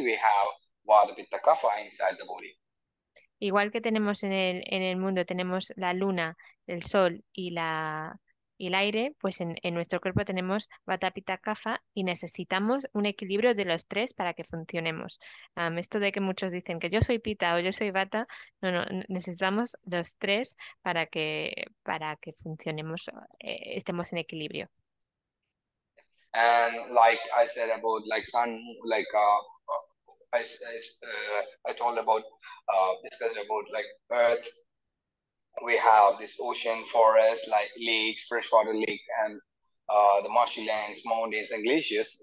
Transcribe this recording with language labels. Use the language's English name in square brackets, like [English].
[English] We have vata, pitta, kapha inside the body. [Spanish] Igual que tenemos en el mundo, tenemos la luna, el sol y el aire, pues en nuestro cuerpo tenemos vata, pitta, kapha y necesitamos un equilibrio de los tres para que funcionemos. Esto de que muchos dicen que yo soy pitta o yo soy vata, no, necesitamos los tres para que funcionemos, estemos en equilibrio. [English] And like I said about like sun, like I told about, discussed about like earth. We have this ocean, forest, like lakes, freshwater lake, and the marshy lands, mountains, and glaciers.